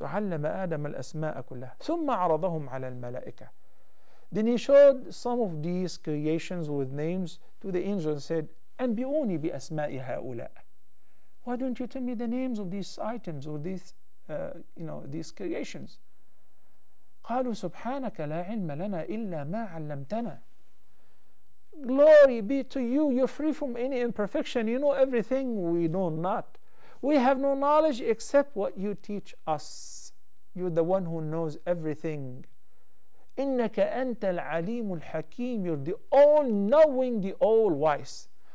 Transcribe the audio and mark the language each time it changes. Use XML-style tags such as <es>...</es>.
<ar>عَلَّمَ آدَمَ الْأَسْمَاءَ كُلَّهَا ثُمَّ عَرَضَهُمْ عَلَى الْمَلَائِكَةِ.</ar> <en>Then he showed some of these creations with names to the angel and said,</en> <ar>أنبئوني بأسمائي هؤلاء.</ar> <en>Why don't you tell me the names of these items or these creations?</en> <ar>قالوا سبحانك لا علم لنا إلا ما علمتنا.</ar> <en>Glory be to you. You're free from any imperfection. You know everything. We know not. We have no knowledge except what you teach us. You're the one who knows everything.</en> <ar>إِنَّكَ أَنْتَ الْعَلِيمُ الْحَكِيمُ</ar> <en>You're the all-knowing, the all-wise.</en>